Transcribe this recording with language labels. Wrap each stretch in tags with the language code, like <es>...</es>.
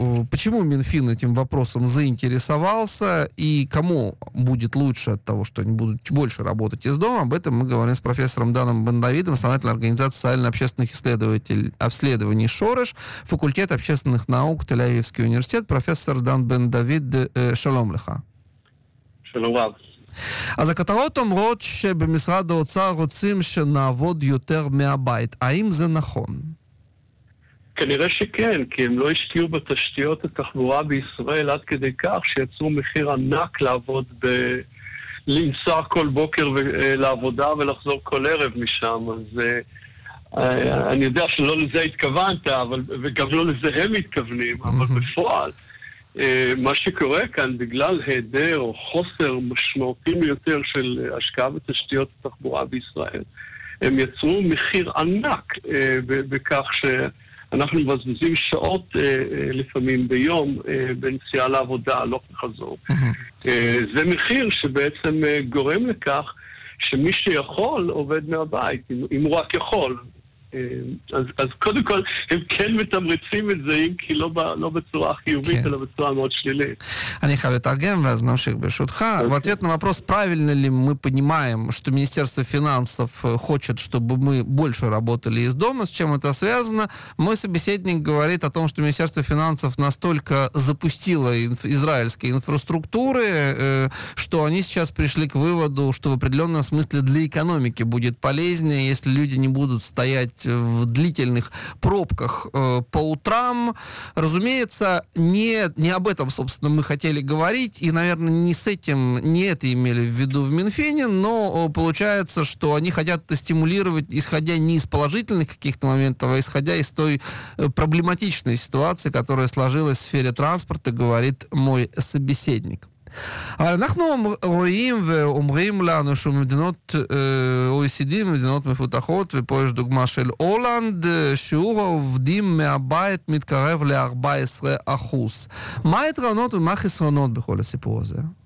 <ru>Почему Минфин этим вопросом заинтересовался? И кому будет лучше от того, что они будут больше работать из дома, об этом мы говорим с профессором Даном Бен-Давидом, основателем организации социально-общественных обследований Шореш, факультет общественных наук Тель-Авивский университет. Профессор Дан Бен-Давид,</ru> <he>шалом леха.</he> <ru>Шалом вам.</ru> <he>אז הכתרות אומרות שבמשרד האוצר רוצים שנעבוד יותר מהבית. האם זה נכון? כנראה שכן, כי הם לא השקיעו בתשתיות התחבורה בישראל עד כדי כך שיצרו מחיר ענק לעבוד לנסוע כל בוקר לעבודה ולחזור כל ערב משם. אז אני יודע שלא לזה התכוונת, אבל, וגם לא לזה הם מתכוונים, אבל בפועל, מה שקורה כאן בגלל היעדר או חוסר משמעותי יותר של השקעה בתשתיות התחבורה בישראל, הם יצרו מחיר ענק בכך ש... אנחנו מבזבזים שעות לפעמים ביום בנסיעה לעבודה, לא חזור. זה מחיר שבעצם גורם לכך שמי שיכול עובד מהבית, אם הוא רק יכול. אז קודם כל, הם כן מתמריצים את זה, אם כי לא בצורה חיובית, אלא בצורה מאוד שלילית. אני חייב לתרגם, ואז נמשיך ברשותך.</he> <ru>В ответ на вопрос, правильно ли мы понимаем, что Министерство финансов хочет, чтобы мы больше работали из дома, с чем это связано, мой собеседник говорит о том, что Министерство финансов настолько запустило израильские инфраструктуры, что они сейчас пришли к выводу, что в определенном смысле для экономики будет полезнее, если люди не будут стоять в длительных пробках по утрам. Разумеется, не об этом, собственно, мы хотели говорить, и, наверное, не это имели в виду в Минфине, но получается, что они хотят это стимулировать, исходя не из положительных каких-то моментов, а исходя из той проблематичной ситуации, которая сложилась в сфере транспорта, говорит мой собеседник.</ru> <he>אבל אנחנו רואים ואומרים לנו שמדינות OECD, מדינות מפותחות, ופה יש דוגמה של הולנד, שיעור העובדים מהבית מתקרב ל-14%. מה היתרונות ומה החסרונות בכל הסיפור הזה?</he>